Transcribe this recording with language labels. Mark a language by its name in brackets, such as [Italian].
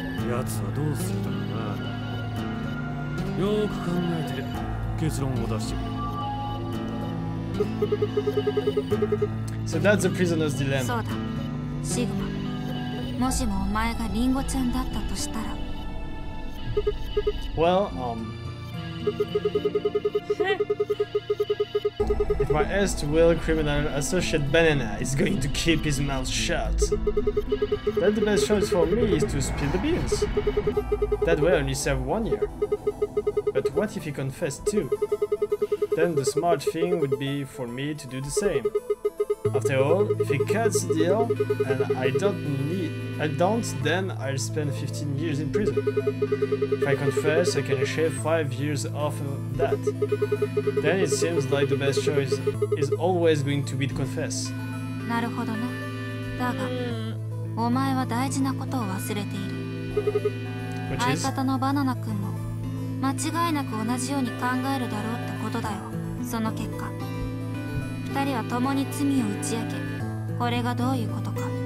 [Japanese] やつはどうするだろうな。よく考えて結論を出してくれ。 [English] So that's a prisoner's dilemma. [Japanese] そうだ、シグマ。もしもお前がリンゴちゃんだったとしたら。 [English] Well, if my erstwhile criminal associate Banana is going to keep his mouth shut, then the best choice for me is to spill the beans. That way, I only serve 1 year. But what if he confessed too? Then the smart thing would be for me to do the same. After all, if he cuts the deal and I don't, then I'll spend 15 years in prison. If I confess, I can shave 5 years off of that. Then it seems like the best choice is always going to be to confess. [Japanese] なるほどね。だが、お前は大事なことを忘れている。相方のバナナ君も間違いなく同じように考えるだろうってことだよ。その結果、二人は共に罪を打ち明け、これがどういうことか。